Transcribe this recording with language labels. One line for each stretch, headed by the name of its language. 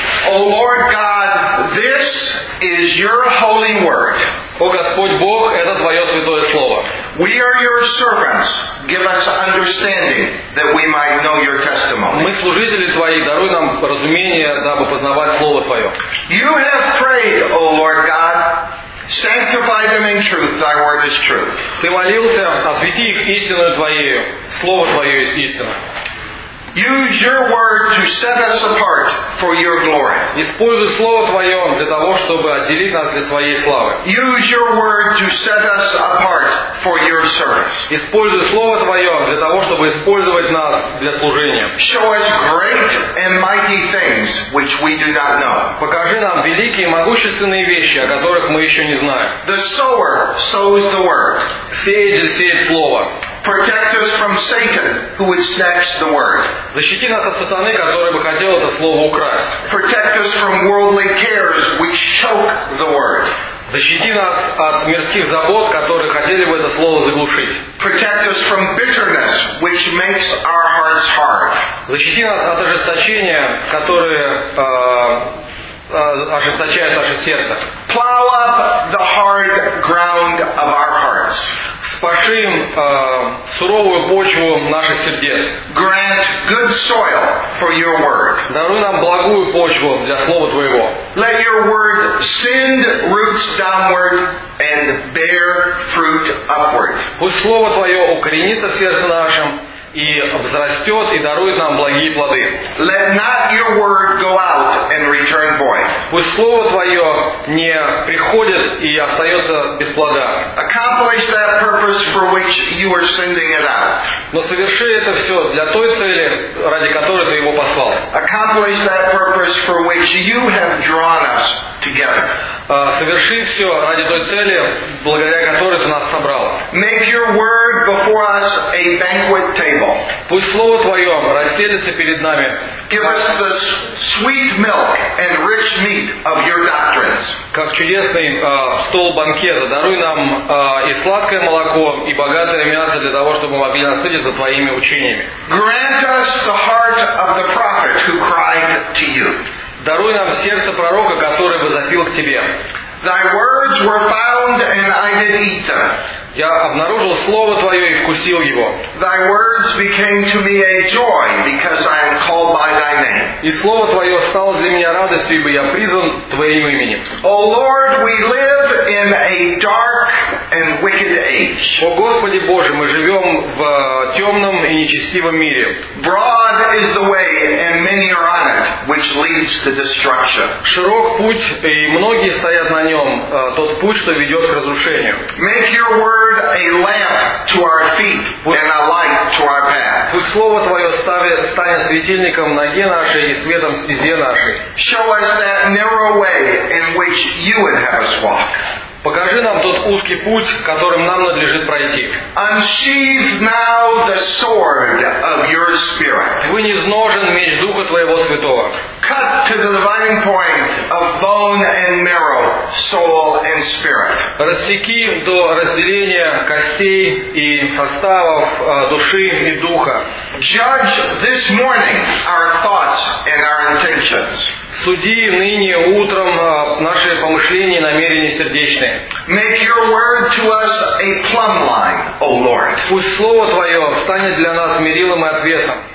English: O Lord God, this is your holy word.
Russian: О Господь Бог, это Твое святое слово.
English: We are your servants. Give us understanding that we might know your testimony.
Russian: Мы служители Твои, даруй нам разумение, дабы познавать Слово Твое.
English: You have prayed, O Lord God, sanctify them in truth. Thy word is truth.
Russian: Ты молился, освяти их истиною Твоею. Слово Твое есть истина.
English: Use your word to set us apart for your glory.
Russian: Используй слово Твое для того, чтобы отделить нас для своей славы.
English: Use your word to set us apart for your service.
Russian: Используй слово Твое для того, чтобы использовать нас для служения.
English: Show us great and mighty things which we do not know.
Russian: Покажи нам великие и могущественные вещи, о которых мы еще не знаем.
English: The sower sows the word.
Russian: Сеятель сеет слово.
English: Protect us from Satan, who would snatch the word.
Russian: Защити нас от сатаны, который бы хотел это слово украсть.
English: Protect us from worldly cares, which choke the word.
Russian: Защити нас от мирских забот, которые хотели бы это слово заглушить.
English: Protect us from bitterness, which makes our hearts hard.
Russian: Защити нас от ожесточения, которое ожесточает наше сердце.
English: Plow up the hard ground of our hearts.
Russian: Спашим суровую почву наших сердец.
English: Grant good soil for your word.
Russian: Даруй нам благую почву для слова Твоего.
English: Let your word send roots downward and bear fruit upward.
Russian: Пусть слово Твое укоренится в сердце нашем и взрастет и дарует нам благие плоды.
English: Let not your word go out and return void.
Russian: Пусть слово Твое не приходит и остается без плода.
English: Accomplish that purpose for which you are sending it out.
Russian: Но соверши это все для той цели, ради которой Ты его послал.
English: Accomplish that purpose for which you have drawn us together.
Russian: Соверши все ради той цели, благодаря которой Ты нас собрал.
English: Make your word before us a banquet table.
Russian: Пусть слово Твое расстелится перед нами.
English: Give us the sweet milk and rich meat of your doctrines.
Russian: Как чудесный стол банкета, даруй нам и сладкое молоко, и богатое мясо для того, чтобы мы могли насытиться Твоими учениями.
English: Grant us the heart of the prophet who cried to you.
Russian: Даруй нам сердце пророка, который возопил к Тебе.
English: Thy words were found and I did eat them.
Russian: Я обнаружил слово Твое и вкусил его.
English: Thy words became to me a joy because I am called by Thy name.
Russian: И слово Твое стало для меня радостью, ибо я призван Твоим именем.
English: O Lord, we live in a dark and wicked age.
Russian: О Господи Боже, мы живем в темном и нечестивом мире.
English: Broad is the way and many are on it, which lead leads to destruction.
Russian: Широк путь, и многие стоят на нем, тот путь, что ведет к разрушению.
English: Make your word a lamp to our feet and a light to our path.
Russian: Пусть слово твое станет светильником ноге нашей и светом стезе нашей.
English: Show us that narrow way in which you would have us walk.
Russian: Покажи нам тот узкий путь, которым нам надлежит пройти.
English: Unsheathe now the sword of your spirit.
Russian: Вынь из ножен меч Духа Твоего Святого.
English: Cut to the dividing point of bone and marrow, soul and spirit.
Russian: Рассеки до разделения костей и составов души и духа.
English: Judge this morning our thoughts and our intentions.
Russian: Суди ныне утром наши помышления и намерения сердечные.
English: Make your word to us a plumb line, O Lord.
Russian: Пусть слово Твое станет для нас мерилом и отвесом.